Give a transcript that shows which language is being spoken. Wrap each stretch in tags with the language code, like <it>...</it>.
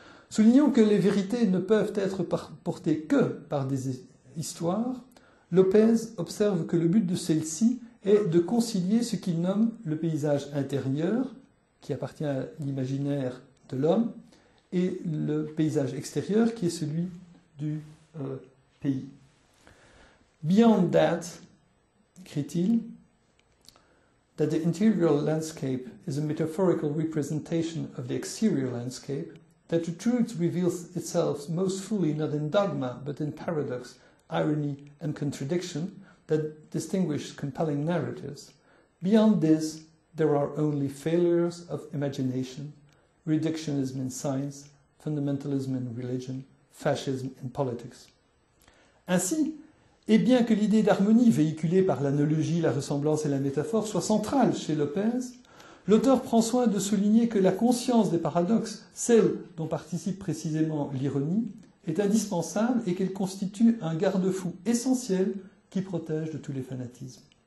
<fr>Soulignant que les vérités ne peuvent être portées que par des histoires, Lopez observe que le but de celle-ci est de concilier ce qu'il nomme le paysage intérieur, qui appartient à l'imaginaire de l'homme, et le paysage extérieur, qui est celui du pays.</fr> <en>Beyond that,</en> <fr>écrit-il,</fr> <en>that the interior landscape is a metaphorical representation of the exterior landscape, that the truth reveals itself most fully not in dogma, but in paradox, irony and contradiction, that distinguish compelling narratives. Beyond this, there are only failures of imagination, reductionism in science, fundamentalism in religion, fascism in politics.</en> <fr>Ainsi, et bien que l'idée d'harmonie véhiculée par l'analogie, la ressemblance et la métaphore soit centrale chez Lopez, L'auteur prend soin de souligner que la conscience des paradoxes, celle dont participe précisément l'ironie, est indispensable et qu'elle constitue un garde-fou essentiel qui protège de tous les fanatismes.</fr>